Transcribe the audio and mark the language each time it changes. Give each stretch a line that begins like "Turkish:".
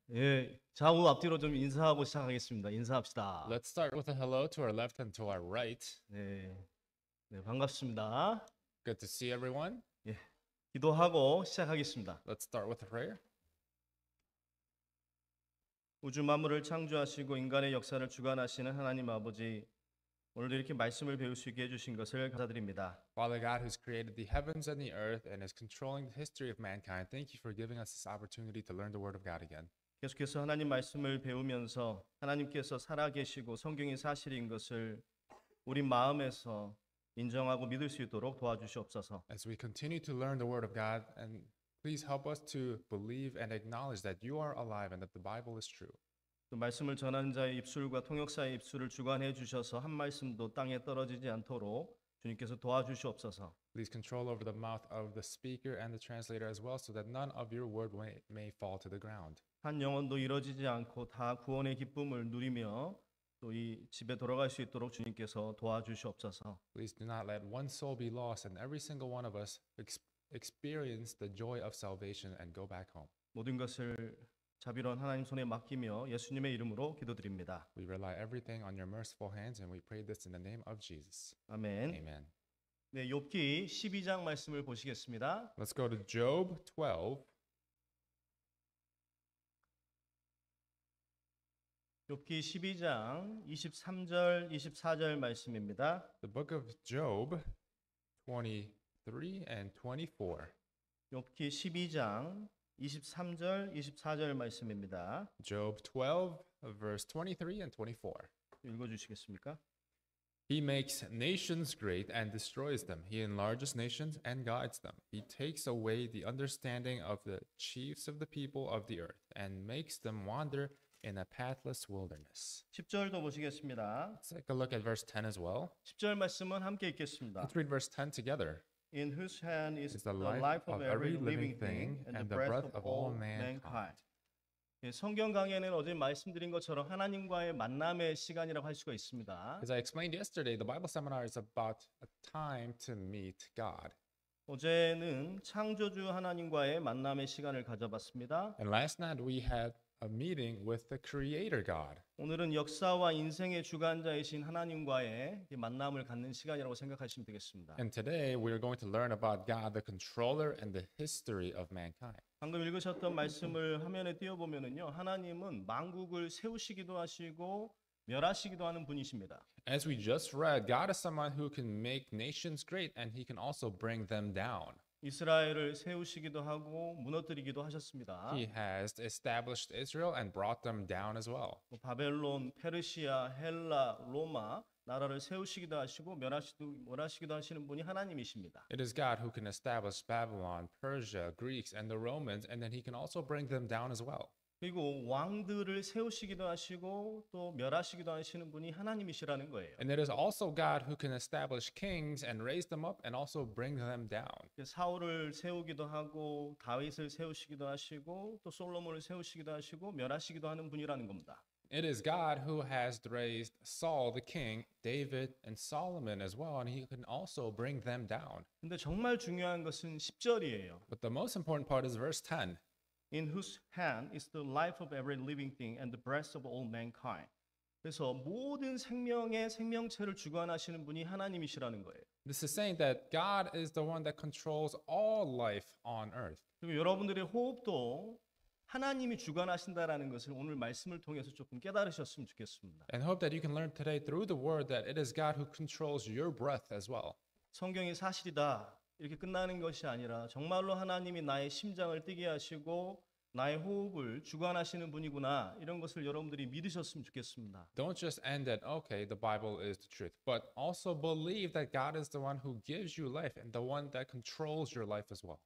Korean: 예, 좌우 앞뒤로 좀 인사하고 시작하겠습니다. 인사합시다.
English: Let's start with a hello to our left and to our right.
Korean: 네, 반갑습니다.
English: Good to see everyone.
Korean: 예, 기도하고 시작하겠습니다.
English: Let's start with a prayer.
Korean: 우주 만물을 창조하시고 인간의 역사를 주관하시는 하나님 아버지, 오늘도 이렇게 말씀을 배울 수 있게 해주신 것을 감사드립니다.
English: Father God, who's created the heavens and the earth and is controlling the history of mankind, thank you for giving us this opportunity to learn the word of God again.
Korean: 계속해서 하나님 말씀을 배우면서 하나님께서 살아계시고 성경이 사실인 것을 우리 마음에서 인정하고 믿을 수 있도록 도와주시옵소서.
English: As we continue to learn the word of God, and please help us to believe and acknowledge that you are alive and that the Bible is true.
Korean: 또 말씀을 전하는 자의 입술과 통역사의 입술을 주관해 주셔서 한 말씀도 땅에 떨어지지 않도록 주님께서 도와주시옵소서.
English: Please control over the mouth of the speaker and the translator as well so that none of your word may fall to the ground.
Korean: 한 영혼도 이루어지지 않고 다 구원의 기쁨을 누리며 또 이 집에 돌아갈 수 있도록 주님께서 도와주시옵소서.
English: Please do not let one soul be lost and every single one of us experience the joy of salvation and go back home.
Korean: 모든 것을 자비로운 하나님 손에 맡기며 예수님의 이름으로 기도드립니다.
English: We rely everything on your merciful hands and we pray this in the name of Jesus.
Korean: 아멘.
English: Amen.
Korean: 네, 욥기 12장 말씀을 보시겠습니다.
English: Let's go to Job 12.
Korean: 욥기 12장 23절, 24절 말씀입니다.
English: The book of Job 23 and 24.
Korean: 욥기 12장 23절, 24절 말씀입니다.
English: Job 12, verse 23 and 24.
Korean: 읽어주시겠습니까?
English: He makes nations great and destroys them. He enlarges nations and guides them. He takes away the understanding of the chiefs of the people of the earth and makes them wander in a pathless wilderness.
Korean: 10절도 보시겠습니다.
English: Let's take a look at verse 10 as well.
Korean: 10절 말씀은 함께 읽겠습니다.
English: Let's read verse 10 together. In whose hand is the life of every living thing and the breath of all mankind.
Korean: 예, 성경 강해는 어제 말씀드린 것처럼 하나님과의 만남의 시간이라고 할 수가 있습니다.
English: As I explained yesterday, the Bible seminar is about a time to meet God.
Korean: 어제는 창조주 하나님과의 만남의 시간을 가져봤습니다.
English: And last night we had a meeting with the Creator God.
Korean: 오늘은 역사와 인생의 주관자이신 하나님과의 만남을 갖는 시간이라고 생각하시면 되겠습니다.
English: And today we are going to learn about God, the controller and the history of mankind.
Korean: 방금 읽으셨던 말씀을 화면에 띄워보면은요, 하나님은 만국을 세우시기도 하시고 멸하시기도 하는 분이십니다.
English: As we just read, God is someone who can make nations great and he can also bring them down.
Korean: 이스라엘을 세우시기도 하고 무너뜨리기도 하셨습니다.
English: He has established Israel and brought them down as well.
Korean: 바벨론, 페르시아, 헬라, 로마 나라를 세우시기도 하시고 멸하시기도 하시는 분이 하나님이십니다.
English: It is God who can establish Babylon, Persia, Greeks and the Romans and then he can also bring them down as well.
Korean: 그리고 왕들을 세우시기도 하시고 또 멸하시기도 하시는 분이 하나님이시라는 거예요.
English: And it is also God who can establish kings and raise them up and also bring them down.
Korean: 사울을 세우기도 하고 다윗을 세우시기도 하시고 또 솔로몬을 세우시기도 하시고 멸하시기도 하는 분이라는 겁니다.
English: It is God who has raised Saul the king, David and Solomon as well and he can also bring them down.
Korean: 근데 정말 중요한 것은 10절이에요.
English: But the most important part is verse 10. In whose hand is the life of every living thing and the breath of all mankind.
Korean: 그래서 모든 생명의 생명체를 주관하시는 분이 하나님이시라는 거예요.
English: This is saying that God is the one that controls all life on earth.
Korean: 그리고 여러분들의 호흡도 하나님이 주관하신다라는 것을 오늘 말씀을 통해서 조금 깨달으셨으면 좋겠습니다.
English: And hope that you can learn today through the word that it is God who controls your breath as well.
Korean: 성경이 사실이다. 이렇게 끝나는 것이 아니라 정말로 하나님이 나의 심장을 뛰게 하시고 나의 호흡을 주관하시는 분이구나 이런 것을 여러분들이 믿으셨으면 좋겠습니다.
English: Don't just end at okay, the Bible is the truth, but also believe that God is the one who gives you life and the one that controls your life as well.